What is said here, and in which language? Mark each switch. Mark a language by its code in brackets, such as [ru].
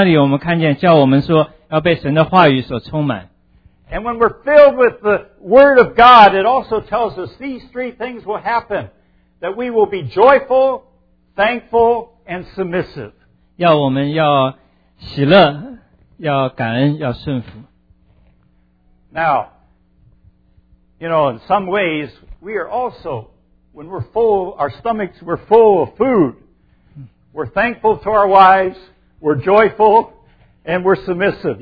[zh] 在哥罗西书第三章那里我们看见，叫我们说要被神的话语所充满。 [en] And when we're filled with the Word of God, it also tells us these three things will happen, that we will be joyful, thankful, and submissive. [zh] 要我们要喜乐，要感恩，要顺服。 [en] Now, you know, in some ways, we are also, when we're full, our stomachs, we're full of food. We're thankful to our wives, we're joyful, and we're submissive.